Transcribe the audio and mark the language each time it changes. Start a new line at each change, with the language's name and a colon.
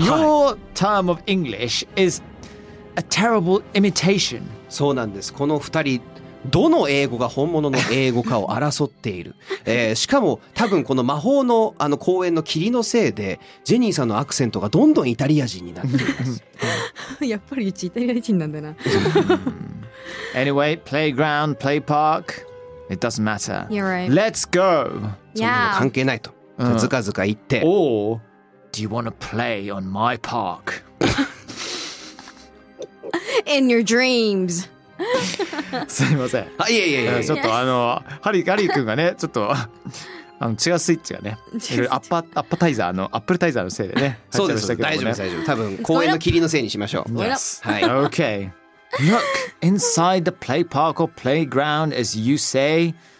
English: Your term of English is a terrible imitation.
Japanese: そうなんです。この二人、どの英語が本物の英語かを争っている。しかも、多分この魔法のあの公園の霧のせいで、ジェニーさんのアクセントがどんどんイタリア人になっています。やっぱりうちイタリア人なんだな。
English: Anyway, playground, play park.It doesn't matter. You're right. Let's go! Yeah.
Japanese: 関係ないと。うん、ずかずか行って、お
English: Do you wanna play on my park? In your dreams.
Japanese: すいません。あ、いやいやいや、ちょっと、yes. あのハリー君がね、ちょっとあの違うスイッチがね、アップタイザーのアップルタイザーのせいでね、そうです、ね、大丈夫。多分公園の霧のせいにしましょう。
English: Yes.
Japanese: はい。
English: Okay. Look inside the play park or playground as you say.